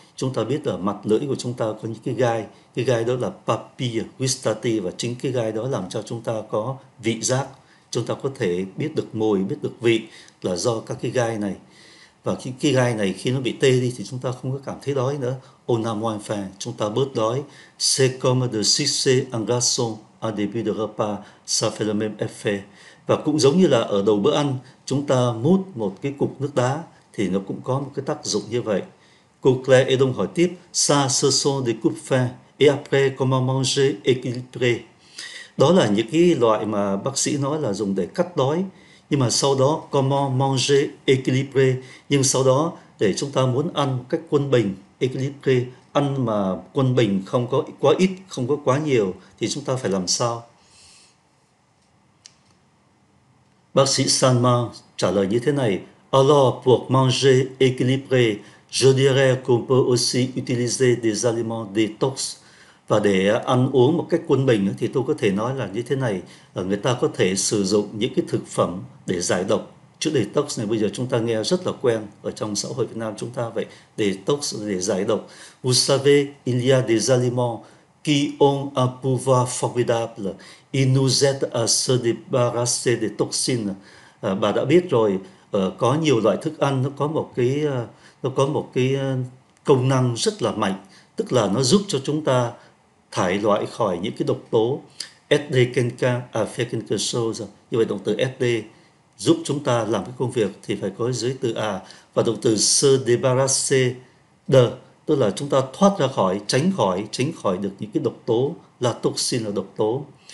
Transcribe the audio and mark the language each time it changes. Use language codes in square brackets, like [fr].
[vi] Chúng ta biết là mặt lưỡi của chúng ta có những cái gai đó là papilles gustatives, và chính cái gai đó làm cho chúng ta có vị giác, chúng ta có thể biết được mùi, biết được vị là do các cái gai này. Và cái gai này khi nó bị tê đi thì chúng ta không có cảm thấy đói nữa. [fr] On a moins faim, [vi] chúng ta bớt đói. [fr] C'est comme de sucer un glaçon à début de repas, ça fait le même effet. [vi] Và cũng giống như là ở đầu bữa ăn, chúng ta mút một cái cục nước đá thì nó cũng có một cái tác dụng như vậy. Cô Claire Edon hỏi tiếp, [fr] ça ce sont des coupes fines et après comment manger équilibré? [vi] Đó là những cái loại mà bác sĩ nói là dùng để cắt đói. Nhưng mà sau đó, [fr] comment manger équilibré? [vi] Nhưng sau đó, để chúng ta muốn ăn một cách quân bình, équilibré, ăn mà quân bình, không có quá ít, không có quá nhiều, thì chúng ta phải làm sao? Bác sĩ Sanma trả lời như thế này, [fr] alors pour manger équilibré, je dirais qu'on peut aussi utiliser des aliments détox. [vi] Và để ăn uống một cách quân bình thì tôi có thể nói là như thế này, người ta có thể sử dụng những cái thực phẩm để giải độc. Chữ detox này bây giờ chúng ta nghe rất là quen ở trong xã hội Việt Nam chúng ta vậy, detox để giải độc. [fr] Vous savez, il y a des aliments qui ont un pouvoir formidable. Ils nous aident à se débarrasser des toxines. [vi] Bà đã biết rồi, có nhiều loại thức ăn nó có một cái công năng rất là mạnh, tức là nó giúp cho chúng ta thải loại khỏi những cái độc tố. SD kênh ca, à phê kênh cơ sâu rồi. Như vậy động từ SD giúp chúng ta làm cái công việc thì phải có dưới từ à, và động từ se debarrasse de, tức là chúng ta thoát ra khỏi, tránh khỏi được những cái độc tố, là toxin, là độc tố.